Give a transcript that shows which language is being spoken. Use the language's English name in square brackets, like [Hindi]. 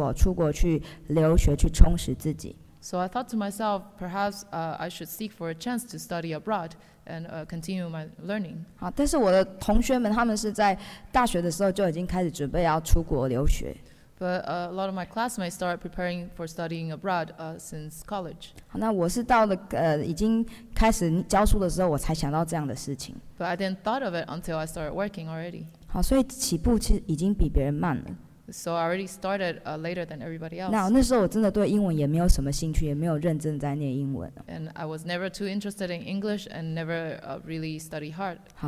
[Chinese] 所以我那时候想说，哎，我是不是能够有机会呢，再去念书哦，出国去留学，去充实自己。 [English] So I thought to myself, perhaps I should seek for a chance to study abroad and continue my learning. [Chinese] 但是我的同学们他们是在大学的时候就已经开始准备要出国留学。 [English] But a lot of my classmates start preparing for studying abroad since college. [Chinese] 那我是到了已经开始教书的时候，我才想到这样的事情。 [English] But I didn't thought of it until I started working already. [Chinese] 所以起步其实已经比别人慢了。 [English] So I already started later than everybody else. [Chinese] 那时候我真的对英文也没有什么兴趣，也没有认真在念英文。 [English] And I was never too interested in English and never really study hard.